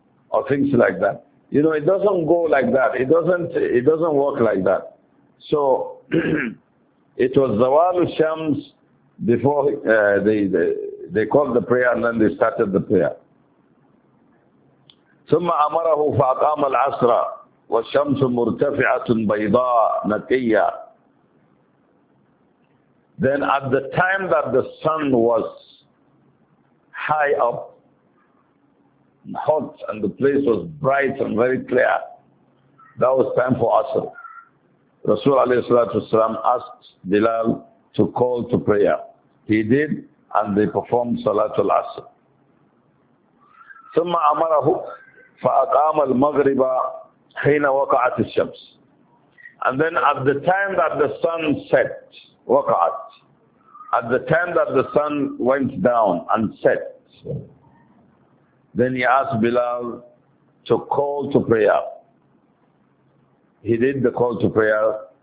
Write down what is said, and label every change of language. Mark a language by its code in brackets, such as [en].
[en] Or things like that. You know, it doesn't go like that. It doesn't work like that. So it was Zawal al-Shams before they called the prayer and then they started the prayer. [ar] ثم أمره فأقام العصر والشمس مرتفعة بيضاء نقية. [en] Then at the time that the sun was high up, hot, and the place was bright and very clear, that was time for Asr. Rasul alayhi salatu wasalam asked Bilal to call to prayer. He did, and they performed Salatul Asr. [ar] ثم أمره فأقام المغرب حين وقعت الشمس. [en] And then at the time that the sun set, [ar] وقعت, [en] at the time that the sun went down and set, then he asked Bilal to call to prayer. He did the call to prayer.